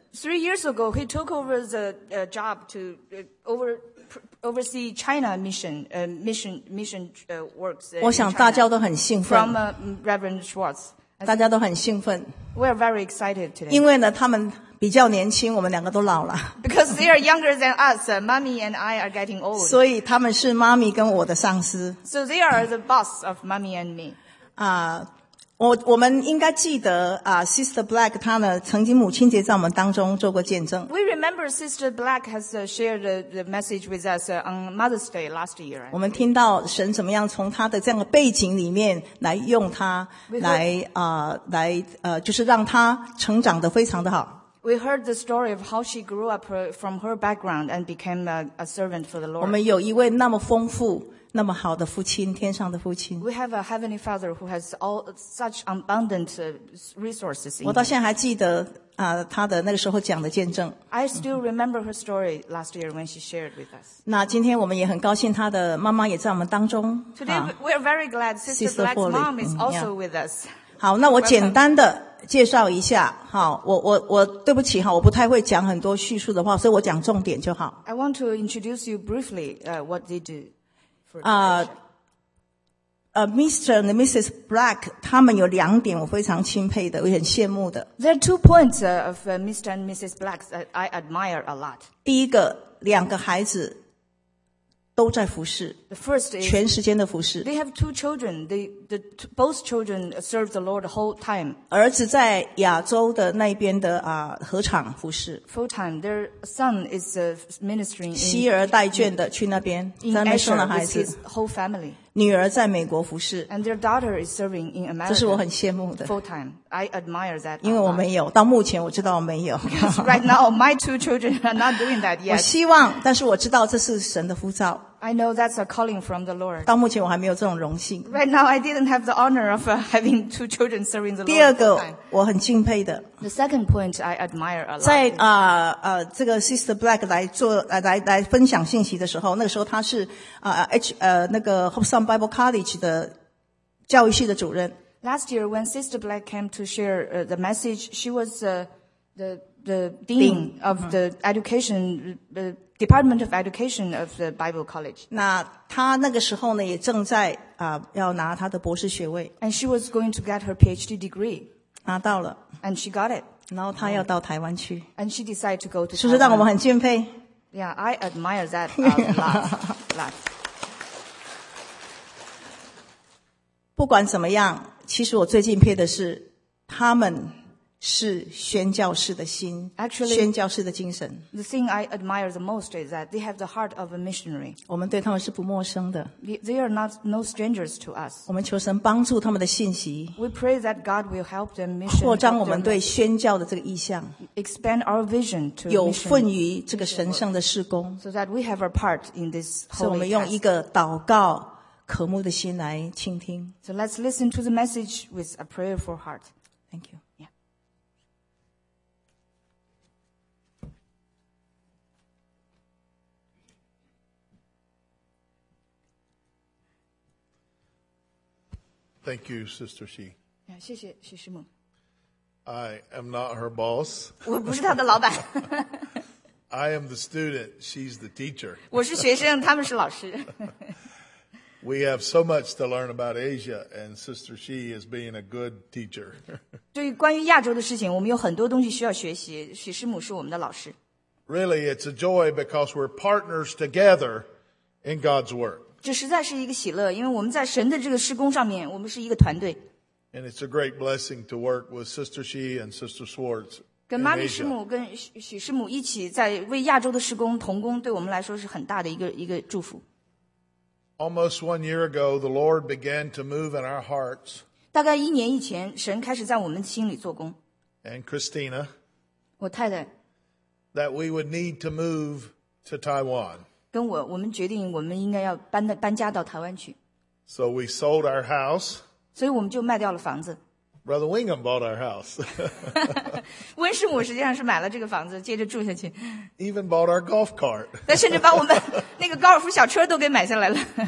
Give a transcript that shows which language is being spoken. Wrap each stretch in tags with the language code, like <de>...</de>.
<en>Three years ago, he took over the job to oversee China mission works.</en> <zh>我想大家都很兴奋。</zh> <en>From Reverend Schwartz.</en> <zh>大家都很兴奋。</zh> <en>We are very excited today.</en> <zh>因为呢，他们比较年轻，我们两个都老了。</zh> <en>Because they are younger than us, mommy and I are getting old.</en> <zh>所以他们是妈咪跟我的上司。</zh> <en>So they are the boss of mommy and me.</en> <zh>我们应该记得Sister Black 她呢曾经母亲节在我们当中做过见证。</zh> <en>We remember Sister Black has shared the message with us on Mother's Day last year.</en> <zh>我们听到神怎么样从她的这样的背景里面来用她来就是让她成长得非常的好。</zh> <en>We heard the story of how she grew up from her background and became a servant for the Lord.</en> <zh>我们有一位那么丰富那么好的父亲，天上的父亲。</zh> <en>We have a heavenly father who has all such abundant resources.</en> <zh>我到现在还记得他的那个时候讲的见证。</zh> <en>I still remember her story last year when she shared with us.</en> <zh>那今天我们也很高兴，他的妈妈也在我们当中。</zh> <en>Today we are very glad Sister Black's mom is also with us.</en> <zh>好，那我简单的介绍一下，好，我对不起哈，我不太会讲很多叙述的话，所以我讲重点就好。</zh> <en>I want to introduce you briefly, what they do.</en> <zh>Mr. and Mrs. Black, 他们有两点我非常钦佩的，我很羡慕的。</zh> <en>There are two points of Mr. and Mrs. Black that I admire a lot.</en> <zh>第一个，两个孩子都在服侍。</zh> <en>The first is,</en> <zh>全时间的服侍。</zh> <en>They have two children. Both children serve the Lord the whole time.</en> <zh>儿子在亚洲的那边的合场服侍。</zh> <en>Full time. Their son is ministering in</en> <zh>西儿带眷的去那边，在那边生了孩子。</zh> <en>With his whole family.</en> <zh>女儿在美国服侍。</zh> <en>And their daughter is serving in America.</en> <zh>这是我很羡慕的。</zh> <en>Full time. I admire that.</en> <zh>因为我没有，到目前我知道我没有。</zh> <en>Because right now, my two children are not doing that yet.</en> <zh>我希望，但是我知道这是神的呼召。</zh> <en>I know that's a calling from the Lord.</en> <zh>到目前我还没有这种荣幸。</zh> <en>Right now, I didn't have the honor of having two children serving the Lord.</en> <zh>第二个，我很敬佩的。</zh> <en>The second point I admire a lot.</en> <zh>在这个 Sister Black 来分享信息的时候，那个时候他是Hope Sound Bible College 的教育系的主任。</zh> <en>Last year, when Sister Black came to share the message, she was the dean of the education, Department of Education of the Bible College.</en> <zh>那他那个时候呢也正在要拿他的博士学位。</zh> <en>And she was going to get her PhD degree.</en> <zh>拿到了。</zh> <en>And she got it.</en> <zh>然后他要到台湾去。</zh> <en>And she decided to go to Taiwan.</en> <zh>是不是让我们很敬佩？</zh> <en>Yeah, I admire that a lot.</en> <zh>不管怎么样，其实我最敬佩的是他们是宣教士的心</zh> <en>Actually,</en> <zh>宣教士的精神</zh> <en>The thing I admire the most is that they have the heart of a missionary</en> <zh>我们对他们是不陌生的</zh> <en>They are not no strangers to us</en> <zh>我们求神帮助他们的信息</zh> <en>We pray that God will help them mission</en> <zh>扩张我们对宣教的这个意向</zh> <en>Expand our vision to mission</en> <zh>有份于这个神圣的事工</zh> <en>So that we have a part in this holy task</en> <zh>所以我们用一个祷告渴慕的心来倾听</zh> <en>So let's listen to the message with a prayerful heart Thank you Thank you, Sister Xi.</en> <zh>谢谢许师母。</zh> <en>I am not her boss.</en> <zh>我不是她的老板。</zh> <en>I am the student. She's the teacher.</en> <zh>我是学生，他们是老师。</zh> <en>We have so much to learn about Asia, and Sister Xi is being a good teacher.</en> <zh>对于关于亚洲的事情，我们有很多东西需要学习。许师母是我们的老师。</zh> <en>Really, it's a joy because we're partners together in God's work.</en> <zh>这实在是一个喜乐，因为我们在神的这个事工上面，我们是一个团队。</zh> <en>And it's a great blessing to work with Sister Shi and Sister Swartz.</en> <zh>跟玛丽师母跟许师母一起在为亚洲的事工同工，对我们来说是很大的一个祝福。</zh> <en>Almost 1 year ago, the Lord began to move in our hearts.</en> <zh>大概一年以前，神开始在我们心里做工。</zh> <en>And Christina,</en> <zh>我太太</zh> <en>，that we would need to move to Taiwan.</en> <zh>跟我们决定我们应该要搬家到台湾去。</zh> <en>So we sold our house.</en> <zh>所以我们就卖掉了房子。</zh> <en>Brother Wingham bought our house.</en> <zh>温师母实际上是买了这个房子，接着住下去。</zh> <en>Even bought our golf cart.</en> <zh>他甚至把我们那个高尔夫小车都给买下来了。</zh>